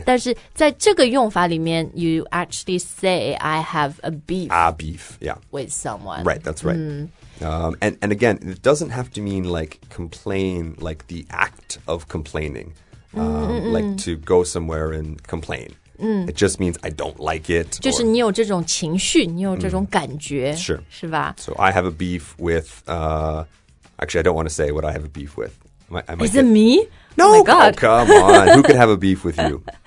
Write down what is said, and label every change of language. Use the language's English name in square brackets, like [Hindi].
[Chinese] 但是在这个用法里面 [English] You actually say I have a beef A beef, yeah With someone Right, that's right、mm. And again, it doesn't have to mean like complain Like the act of complaining、Like to go somewhere and complain、It just means I don't like it [Chinese] 就是你有这种情绪你有这种感觉、 [English] Sure [Chinese] 是吧 [English] So I have a beef with、Actually, I don't want to say what I have a beef with Is it me? No, oh my God. Oh, come on Who could have a beef with you?